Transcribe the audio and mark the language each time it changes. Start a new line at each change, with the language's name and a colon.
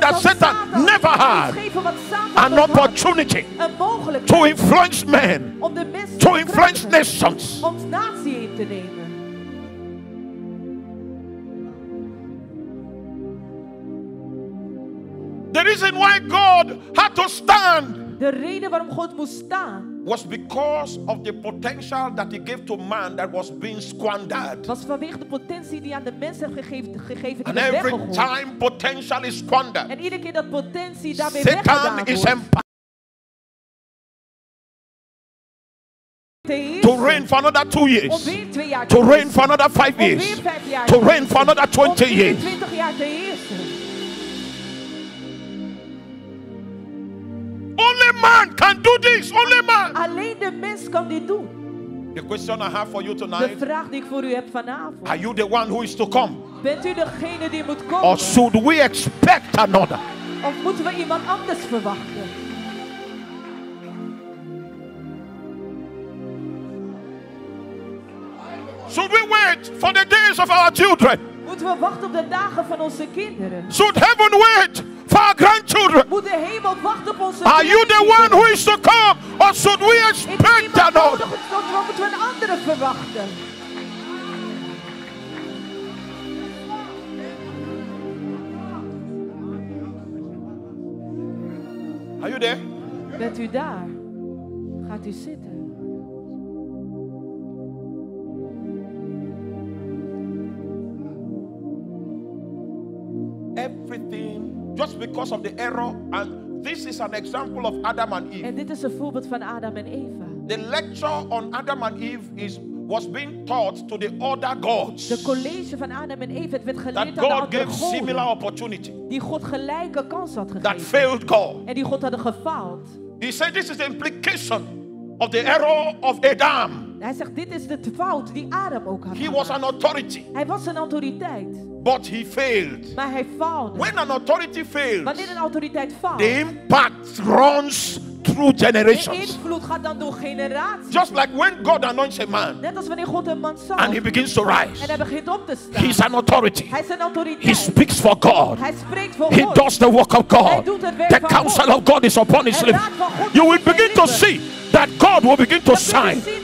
English: that Satan never had. An opportunity to influence men.
Dutch: Om de mens
English: to influence nations.
Dutch: Om natie in te nemen.
English: The reason why God had to stand.
Dutch: De reden waarom God moest staan.
English: Was because of the potential that he gave to man that was being squandered.
Dutch: Was vanwege de potentie die aan de mens heeft gegeven.
English: And every time potential is squandered.
Dutch: En iedere keer dat potentie daarmee
English: Satan is to reign for another 2 years. To reign for another 5 years. To reign for another 20 years. Only man can do this. Only man.
Dutch: Alleen de mens kan dit doen.
English: The question I have for you tonight.
Dutch: De vraag die ik voor u heb vanavond.
English: Are you the one who is to come?
Dutch: Bent u degene die moet komen?
English: Or should we expect another?
Dutch: Of moeten we iemand anders verwachten?
English: Should we wait for the days of our children?
Dutch: Moeten we wachten op de dagen van onze kinderen?
English: Should heaven wait for our grandchildren?
Dutch: Moet de hemel wachten op onze
English: are
Dutch: kinderen?
English: You the one who is to come? Or should we expect
Dutch: iemand
English: another?
Dutch: Nodig, of moeten we een andere verwachten?
English: Are you there?
Dutch: Bent u daar? Gaat u zitten?
English: Everything just because of the error, and this is an example of Adam and Eve.
Dutch: En dit is een voorbeeld van Adam en Eva.
English: The lecture on Adam and Eve was being taught to the other gods.
Dutch: De college van Adam en Eva werd geleerd aan de andere goden.
English: That God gave similar opportunity.
Dutch: Die God gelijke kans had gegeven.
English: That failed God.
Dutch: En die God hadden gefaald.
English: He said this is the implication of the error of Adam.
Dutch: Hij zegt dit is de fout die Adam ook had.
English: He was an authority.
Dutch: Hij was een autoriteit.
English: But he failed.
Dutch: Maar hij faalde.
English: When an authority fails.
Dutch: Wanneer een autoriteit faalt.
English: The impact runs through generations.
Dutch: De invloed gaat dan door generaties.
English: Just like when God anoints a man.
Dutch: Net als wanneer God een man zalft.
English: And he begins to rise.
Dutch: En hij begint op te staan.
English: He's an authority.
Dutch: Hij is een autoriteit.
English: He speaks for God.
Dutch: Hij spreekt voor God.
English: He does the work of God.
Dutch: Hij doet het werk van God.
English: The counsel of God is upon his lips. You will begin to see that God will begin to shine.